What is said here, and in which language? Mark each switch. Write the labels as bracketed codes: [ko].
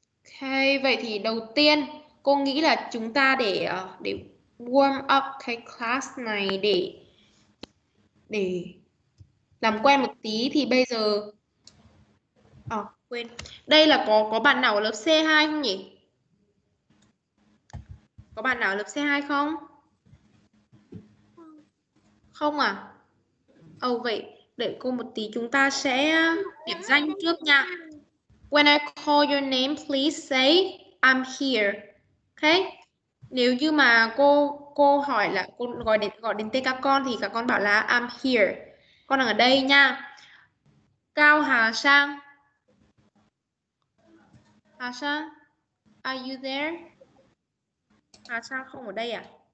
[vi] Ok, vậy thì đầu tiên cô nghĩ là chúng ta để [en] warm up [vi] cái class này để làm quen một tí thì bây giờ quên. Đây là có bạn nào ở lớp C2 không nhỉ? Có bạn nào ở lớp C2 không? Không à? Oh, vậy để cô một tí chúng ta sẽ điểm danh trước nha. [en] When I call your name, please say I'm here. Okay? [vi] Nếu như mà cô hỏi là cô gọi đến tên các con thì các con bảo là [en] I'm here. [vi] Con đang ở đây nha. Cao Hà Sang. Hà Sang, [en] are you there? [vi] Hà Sang không ở đây à?